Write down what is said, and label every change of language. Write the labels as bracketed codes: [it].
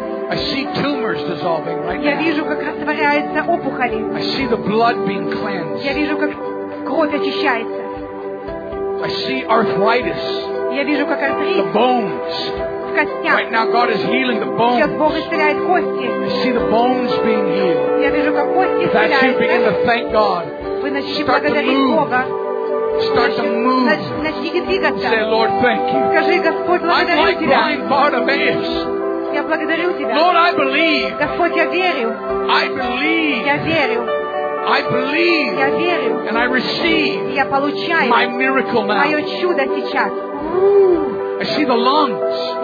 [en] I see tumors dissolving right now. [ru] Я вижу, как растворяются опухоли. [en] I see the blood being cleansed. [ru] Я вижу, как кровь очищается. [en] I see arthritis. [ru] Я вижу, как артрит. [en] The bones. [ru] В костях. [en] Right now, God is healing the bones. [ru] Сейчас Бог исцеляет кости. [en] I see the bones being healed. [ru] Я вижу, как кости исцеляются. [en] That you begin to thank God. [ru] Вы начните благодарить Бога. [en] Start to move. [ru] Начните двигаться. [en] Say, Lord, thank you. [ru] Скажи, Господь, благодарю [en] I'm like blind Bartimaeus. [ru] Я благодарю тебя. [en] Lord, I believe. [ru] Господь, я верю. [en] I believe. [ru] Я верю. [en] I believe. [ru] Я верю. [en] And I receive. [ru] Я получаю. [en] My miracle now. [ru] Мое чудо сейчас. [en] I see the lungs.